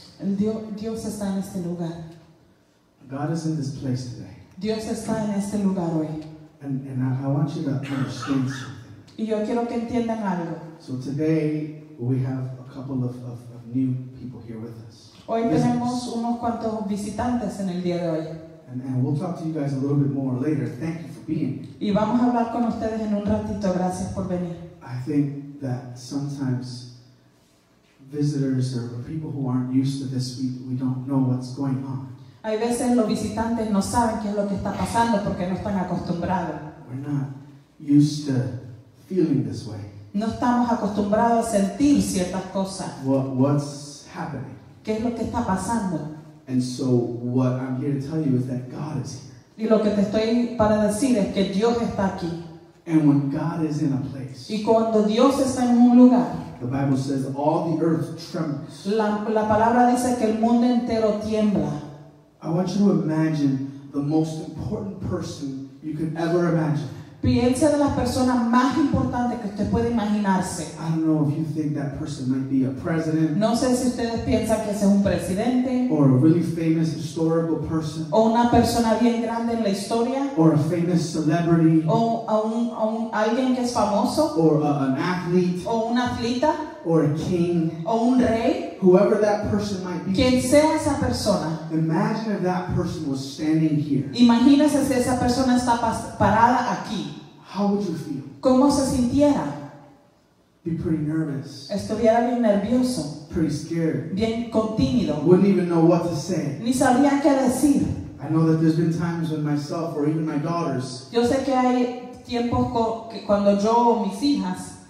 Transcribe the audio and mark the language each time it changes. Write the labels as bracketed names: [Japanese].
[Spanish] El Dios está en este lugar. [English] God is in this place today. [Spanish] Dios está en este lugar hoy. [English] And I want you to understand something. [Spanish] Y yo quiero que entiendan algo. [English] So today we have a couple of new people here with us. [Spanish] Hoy tenemos unos cuantos visitantes en el día de hoy. [English] And we'll talk to you guys a little bit more later. Thank you for being here. [Spanish] Y vamos a hablar con ustedes en un ratito. Gracias por venir. [English] I think that sometimes visitors or people who aren't used to this, we don't know what's going on. [Spanish] Hay veces los visitantes no saben qué es lo que está pasando porque no están acostumbrados. [English] We're not used to feeling this way. [Spanish] No estamos acostumbrados a sentir ciertas cosas. [English] What's happening? [Spanish] ¿Qué es lo que está pasando? [English] And so what I'm here to tell you is that God is here. [Spanish] Y lo que te estoy para decir es que Dios está aquí. [English] And when God is in a place, [Spanish] y cuando Dios está en un lugar, [English] the Bible says all the earth trembles. [Spanish] La palabra dice que el mundo entero tiembla. [English] I want you to imagine the most important person you could ever imagine. [Spanish] Piensa de las personas más importantes que usted puede imaginarse. [English] I don't know if you think that person might be a president. [Spanish] No sé si ustedes piensan que ese es un presidente. [English] Or a really famous historical person. [Spanish] O una persona bien grande en la historia. [English] Or a famous celebrity. [Spanish] O a un alguien que es famoso. [English] Or an athlete. [Spanish] O un atleta. [English] Or a king. [Spanish] O un rey. [English] Whoever that person might be. [Spanish] Quien sea esa persona. [English] Imagine if that person was standing here. [Spanish] Imagínese si esa persona está parada aquí. [English] How would you feel? [Spanish] ¿Cómo se sintiera? [English] Be pretty nervous. [Spanish] Estuviera bien nervioso. [English] Pretty scared. [Spanish] Bien con tímido. [English] Wouldn't even know what to say. [Spanish] Ni sabría qué decir. [English] I know that there's been times when myself or even my daughters. [Spanish] Yo sé que hay tiempos cuando yo o mis hijas.